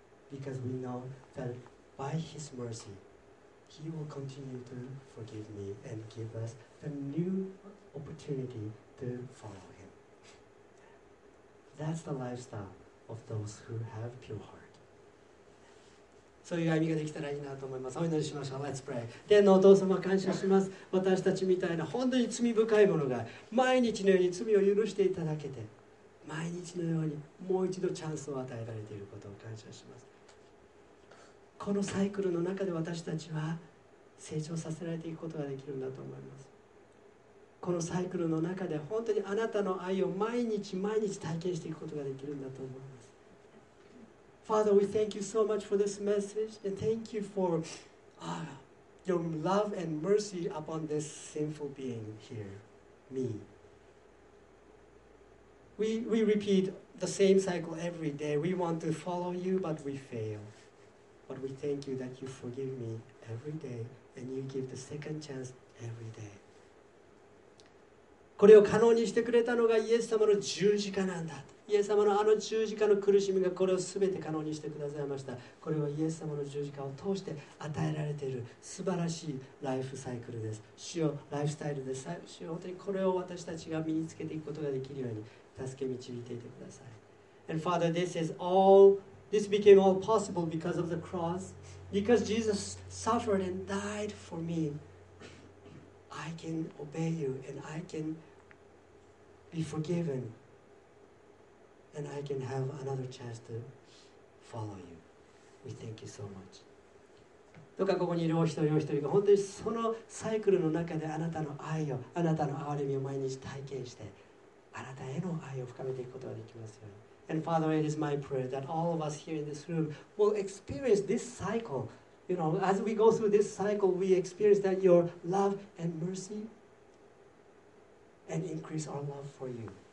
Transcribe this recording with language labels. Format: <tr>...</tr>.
<en>Because we know that by His mercy, He will continue to forgive me and give us the new opportunity to follow Him. That's the lifestyle of those who have pure heart.</en> <ja>そういう歩みができたらいいなと思います。お祈りしましょう。</ja> <en>Let's pray.</en> <ja>天のお父様、感謝します。私たちみたいな本当に罪深いものが毎日のように罪を許していただけて、毎日のようにもう一度チャンスを与えられていることを感謝します。このサイクルの中で私たちは成長させられていくことができるんだと思います。このサイクルの中で本当にあなたの愛を毎日毎日体験していくことができるんだと思います。</ja> <en>Father, we thank you so much for this message and thank you for your love and mercy upon this sinful being here, me. We repeat the same cycle every day. We want to follow you, but we fail. But we thank you that you forgive me every day and you give the second chance every day.</en> <ja>これを可能にしてくれたのがイエス様の十字架なんだ。イエス様のあの十字架の苦しみがこれを全て可能にしてくださいました。これはイエス様の十字架を通して与えられている素晴らしいライフサイクルです。主よ、ライフスタイルです。主よ、本当にこれを私たちが身につけていくことができるように助け導いていてください。</ja> <en>And Father, this became all possible because of the cross. Because Jesus suffered and died for me, I can obey you and I can be forgivenAnd I can have another chance to follow you. We thank you so much.</en> <ja>どうかここにいるお一人お一人が本当にそのサイクルの中であなたの愛を、あなたの憐れみを毎日体験して、あなたへの愛を深めていくことができますように。</ja> <en>And Father, it is my prayer that all of us here in this room will experience this cycle. You know, as we go through this cycle, we experience that your love and mercy and increase our love for you.</en>